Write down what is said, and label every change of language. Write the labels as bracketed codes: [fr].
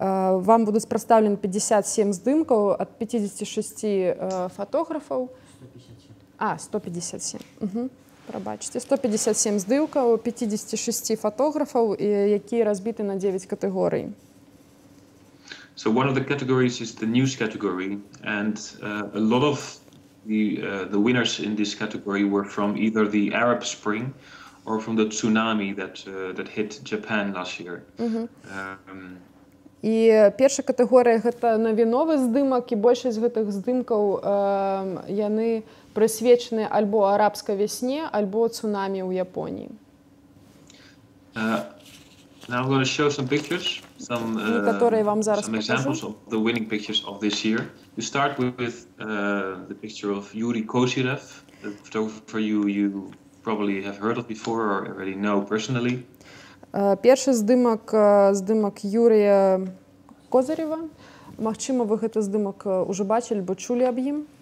[uk] Вам будуть представлені 57 здимків від 56 фотографів. 157. Угу. Пробачте. 157 здимків, 56 фотографів, які розбиті на 9 категорій. [en] So one of the categories is the news category, and a lot of the winners in this category were from either the Arab Spring or from the tsunami that hit Japan last year. [uk] І перша категорія – це новіновий знімок, і більшість цих знімків, вони присвячені або арабській весні, або цунамі у Японії. [en] Now I'm going to show some pictures, some examples of the winning pictures of this year. You start with the picture of Yuri Kozirev, the photographer you probably have heard of before or already know personally. [uk] Перший знімок – знімок Юрія Козирєва. Можливо, ви цей знімок вже бачили або чули об ньому.